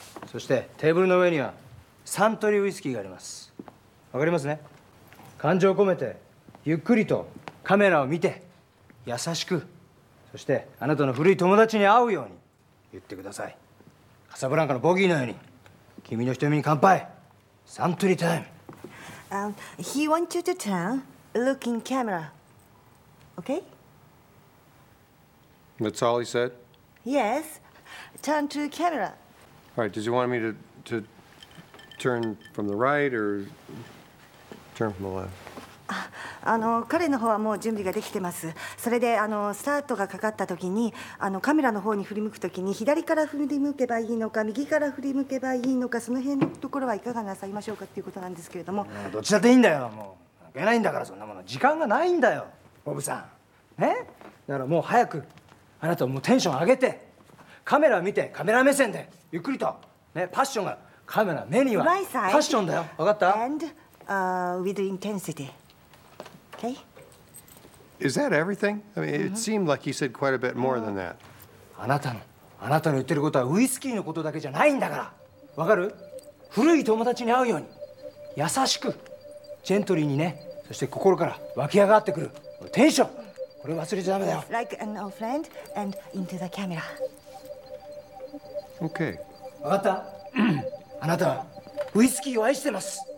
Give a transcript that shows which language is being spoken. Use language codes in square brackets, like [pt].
[ja] そしてテーブルの上にはサントリーウイスキーがあります。わかりますね。感情を込めてゆっくりとカメラを見て、優しく、そしてあなたの古い友達に会うように言ってください。カサブランカのボギーのように、君の瞳に乾杯。サントリータイム。 [en] He wants you to turn, look in camera. Okay? That's all he said? Yes. Turn to camera. All right, does he want me to turn from the right or turn from the left? [ja] あの彼の方はもう準備ができてます。それでスタートがかかった時にカメラの方に振り向く時に左から振り向けばいいのか右から振り向けばいいのか、その辺のところはいかがなさいましょうかということなんですけれども、どっちだっていいんだよ。もう関係ないんだから、そんなもの時間がないんだよ、ボブさん。ね、だからもう早くあなたもうテンション上げてカメラ見て、カメラ目線でゆっくりと、ね、パッションが、カメラ目にはパッションだよ、わかった？ [en] And, with intensityOkay. Is that everything? I mean, it seemed like he said quite a bit more than that. [ja] あなたの言ってることはウイスキーのことだけじゃないんだから。わかる？古い友達に会うように、優しく、ジェントリーにね、そして心から湧き上がってくるテンション。これ忘れちゃダメだよ。 [en] Like an old friend and into the camera. Okay. [ja] わかった？あなたはウイスキーを愛してます。